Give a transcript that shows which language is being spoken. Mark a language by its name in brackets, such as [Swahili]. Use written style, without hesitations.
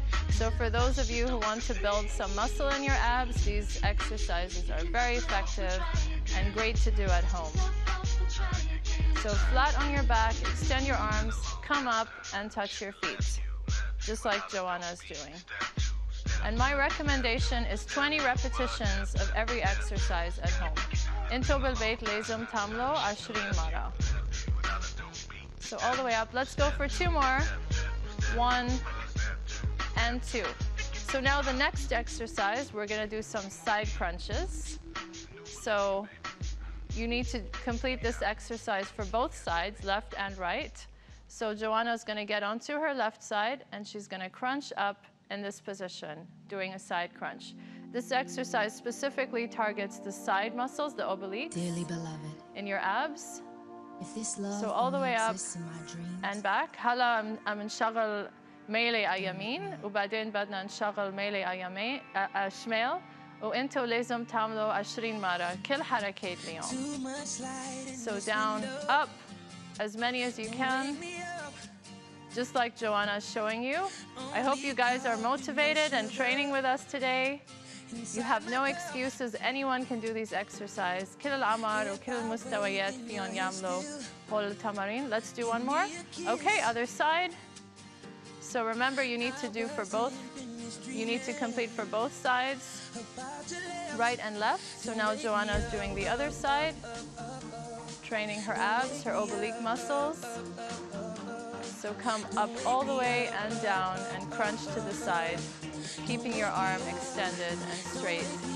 [English] So for those of you who want to build some muscle in your abs, these exercises are very effective and great to do at home. So flat on your back, extend your arms, come up and touch your feet, just like Joanna is doing. And my recommendation is 20 repetitions of every exercise at home. [Arabic] Into بالبيت لازم تعملوا 20 مرة. [English] So all the way up, let's go for 2 more. 1 and 2. So now the next exercise, we're gonna do some side crunches. So you need to complete this exercise for both sides, left and right. So Joanna's gonna get onto her left side and she's gonna crunch up in this position, doing a side crunch. This exercise specifically targets the side muscles, the obliques, dearly beloved, in your abs. If this love so all the way up in my dreams, and back. [Arabic] هلا عم نشغل ميلي على يمين وبعدين بدنا نشغل ميلي على شمال وانتو لازم تعملوا 20 مرة كل حركة اليوم. [English] So down, up, as many as you can. Just like Joanna is showing you. I hope you guys are motivated and training with us today. You have no excuses. Anyone can do these exercises. [Arabic] كل العمر وكل المستويات فيهم يعملوا هول التمارين. [English] Let's do one more. Okay, other side. So remember, you need to do for both. You need to complete for both sides, right and left. So now Joanna is doing the other side, training her abs, her oblique muscles. So come up all the way and down and crunch to the side, keeping your arm extended and straight.